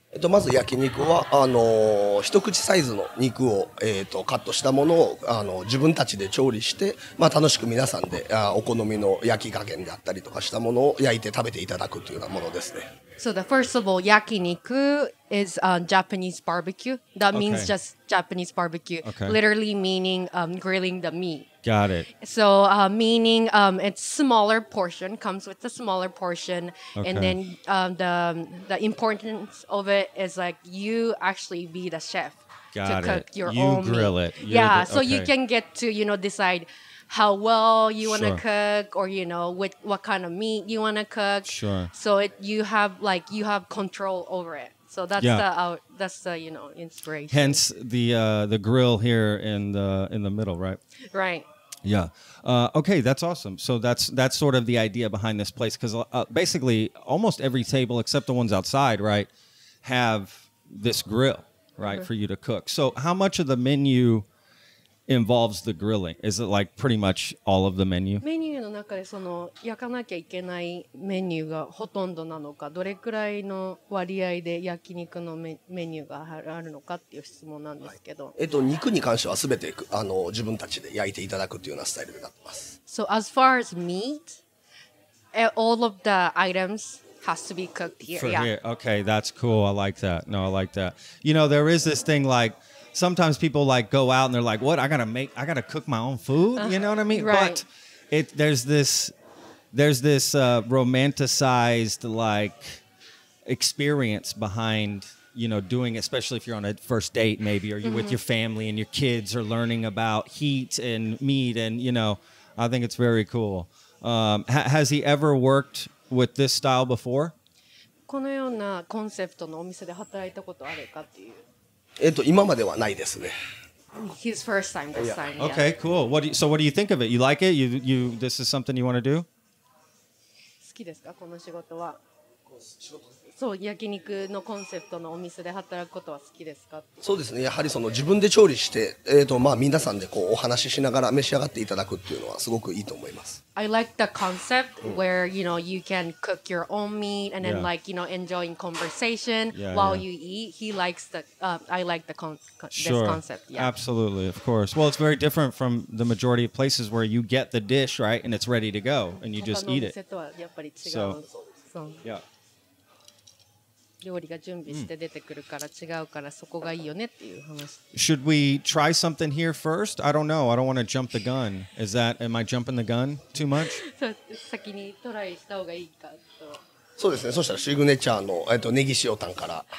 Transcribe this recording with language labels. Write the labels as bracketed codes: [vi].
[ja] まず焼肉は一口サイズの肉を、カットしたものを自分たちで調理して、まあ、楽しく皆さんでお好みの焼き加減であったりとかしたものを焼いて食べていただくというようなものですね。 [en] So the first of all, 焼肉 is Japanese barbecue. That means okay. just Japanese barbecue. Okay. Literally meaning grilling the meat. Got it. So meaning it's smaller portion, comes with a smaller portion. Okay. And then the importance of it is like you actually be the chef to cook your own meat. Yeah, so you can get to, you know, decide how well you want to cook or, you know, with what kind of meat you want to cook. Sure. So you have control over it. So that's the inspiration. Hence the grill here in the middle, right? Right. Yeah. Okay, that's awesome. So that's sort of the idea behind this place, because basically almost every table except the ones outside, right, have this grill, right, mm-hmm. for you to cook. So how much of the menu involves the grilling? Is it like pretty much all of the menu? [ja] Menu の中でその焼かなきゃいけないメニューがほとんどなのか、どれくらいの割合で焼肉のメニューがあるのかっていう質問なんですけど。はい、肉に関してはすべて自分たちで焼いていただくというようなスタイルになってます。 [en] So as far as meat, all of the items has to be cooked here. For here. Okay, that's cool. I like that. No, I like that. You know, there is this thing like, sometimes people like go out and they're like, what? I gotta cook my own food. You know what I mean? Right. But there's this romanticized like experience behind, you know, doing, especially if you're on a first date, maybe, or you're mm-hmm. with your family and your kids are learning about heat and meat. And, you know, I think it's very cool. Has he ever worked with this style before? [ja] このようなコンセプトのお店で働いたことあるかっていう。今まではないですね。 [en] His first time this time. Yeah. Okay, cool. What do you think of it? You like it? You this is something you want to do? [ja] 好きですか、この仕事は。そう、焼肉のコンセプトのお店で働くことは好きですか？そうですね。やはりその自分で調理して、まあ皆さんでこうお話ししながら召し上がっていただくっていうのはすごくいいと思います。 [en] I like the concept where, you know, you can cook your own meat and then like, you know, enjoying conversation while you eat. He likes the, I like the concept. Yeah. Absolutely, of course. Well, it's very different from the majority of places where you get the dish, right? And it's ready to go and you just eat it. [ja] 他のお店とはやっぱり違う。 [en] So, yeah. [ja] 料理が準備して出てくるから違うからそこがいいよねっていう話。 [en] Should we try something here first? I don't know. I don't want to jump the gun. Is that, am I jumping the gun too much? [ja] 先にトライした方がいいかと。そうですね。そしたらシグネチャーのネギ塩タンから。